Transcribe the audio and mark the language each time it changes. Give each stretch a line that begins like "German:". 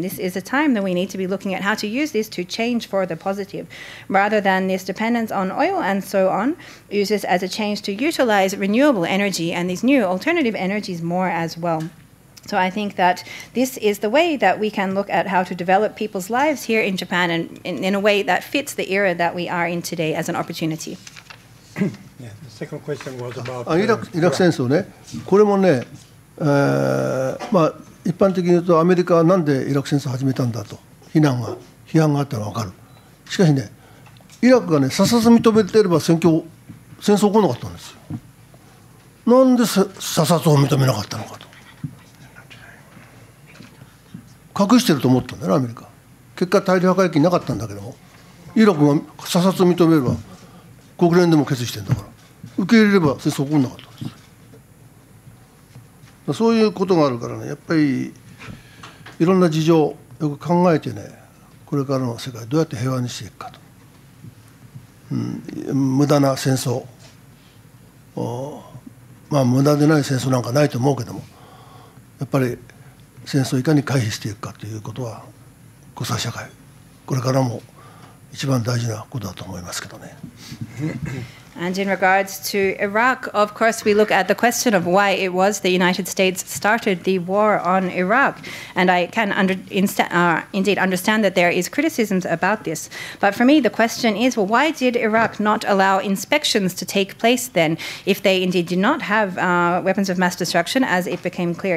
English: This is a time that we need to be looking at how to use this to change for the positive, rather than this dependence on oil and so on, use this as a change to utilize renewable energy and these new alternative energies more as well. So I think that this is the way that we can look at how to develop people's lives here in Japan, and in a way that fits the era that we are in today as an opportunity. Yeah, the second question was about...
Japanese: イラク戦争ね。これもね、まあ一般的に言うとアメリカはなんでイラク戦争を始めたんだと批判があったのが分かる。しかしね、イラクがね、さっさと認めていれば戦争起こらなかったんですよ。なんでさっさと認めなかったのかと。隠してると思ったんだよ、アメリカ。結果、大量破壊機なかったんだけども、イラクがさっさと認めれば、国連でも決意してるんだから、受け入れれば戦争起こらなかったんです。そういうことがあるからね、やっぱりいろんな事情よく考えてね、これからの世界どうやって平和にしていくかと、うん、無駄な戦争、まあ無駄でない戦争なんかないと思うけども、やっぱり戦争をいかに回避していくかということは国際社会これからも一番大事なことだと思いますけどね。
English: And in regards to Iraq, of course, we look at the question of why it was the United States started the war on Iraq. And I can indeed understand that there is criticisms about this. But for me, the question is, well, why did Iraq not allow inspections to take place then, if they indeed did not have weapons of mass destruction, as it became clear?